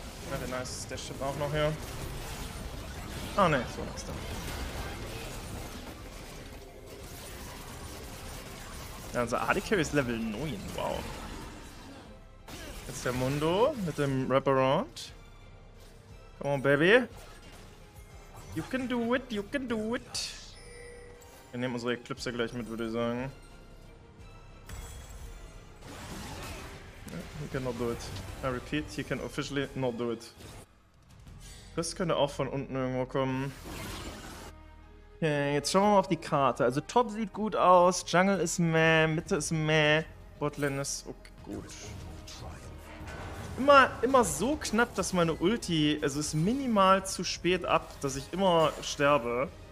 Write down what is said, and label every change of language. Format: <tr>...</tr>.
<de>Okay, nice, der Ship auch noch hier. Ah, oh, ne, so nice da. Ja, unser AD Carry ist Level 9, wow. Jetzt der Mundo mit dem Wraparound.</de> <en>Come on, Baby. You can do it, you can do it.</en> <de>Wir nehmen unsere Eclipse gleich mit, würde ich sagen.</de> <en>Yeah, you cannot do it. I repeat, you can officially not do it.</en> <de>Das könnte auch von unten irgendwo kommen. Okay, jetzt schauen wir mal auf die Karte. Also Top sieht gut aus, Jungle ist meh, Mitte ist meh, Botlane ist okay, gut. Immer so knapp, dass meine Ulti, also ist minimal zu spät ab, dass ich immer sterbe.</de>